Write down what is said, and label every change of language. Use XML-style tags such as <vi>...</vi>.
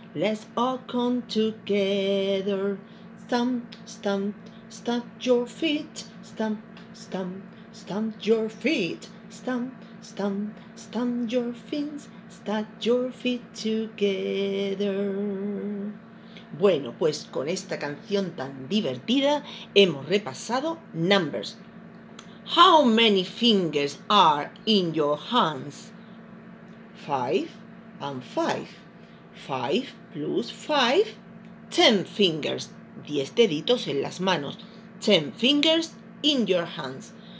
<en>Let's all count together. Stamp, stamp, stamp your feet. Stamp, stamp, stamp your feet. Stamp, stamp, stamp your fins. Stamp your feet together.</en> <es>Bueno, pues con esta canción tan divertida hemos repasado numbers.</es> <en>How many fingers are in your hands? Five and five. Five plus five. 10 fingers.</en> <es>10 deditos en las manos.</es> <en>10 fingers in your hands.</en>